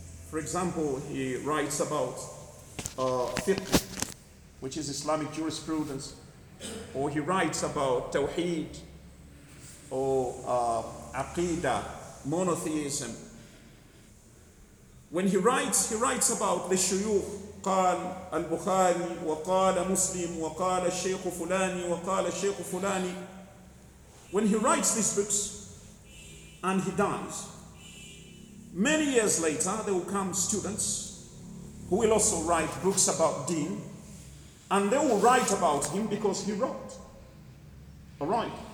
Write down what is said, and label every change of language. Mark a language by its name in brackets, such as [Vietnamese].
[English] For example, he writes about fiqh, which is Islamic jurisprudence, or he writes about tawheed, or aqidah, monotheism. When he writes about the shuyukh, [Arabic] قال البخاري وقال مسلم وقال الشيخ فلاني وقال الشيخ فلاني. [English] When he writes these books and he dies, many years later there will come students who will also write books about deen, and they will write about him because he wrote. All right.